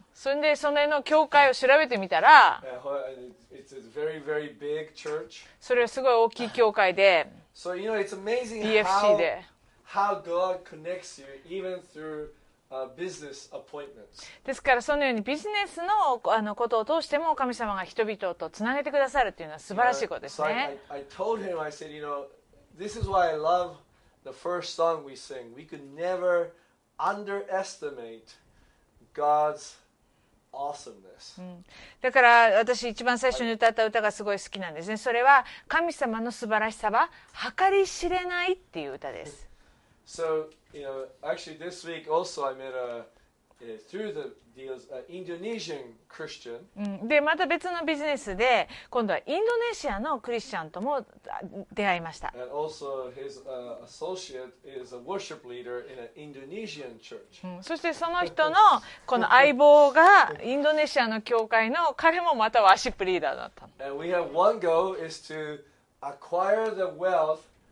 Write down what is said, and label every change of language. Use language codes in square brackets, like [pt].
[ja] それでその辺の教会を調べてみたら、 [en] It's a very, very big church. [ja] それはすごい大きい教会で、 [en] So you know, it's amazing [ja] BFC で、 [en] how God connects you even through business appointments. [ja] ですからそのようにビジネスの、ことを通しても神様が人々とつなげてくださるというのは素晴らしいことですね。 [en] I told him, I said, you know, this is why I love the first song we sing. We could never underestimate God's awesomeness. [ja] だから私一番最初に歌った歌がすごい好きなんですね。それは神様の素晴らしさは計り知れないっていう歌です。 [en] So, you know, actually this week also I met a through the deals an Indonesian Christian. [ja] で、また別のビジネスで今度はインドネシアのクリスチャンとも出会いました。 [en] And also his associate is a worship leader in an Indonesian church. [ja] そしてその人のこの相棒がインドネシアの教会の彼もまたワーシップリーダーだった。 [en] And we have one goal is to acquire the wealth.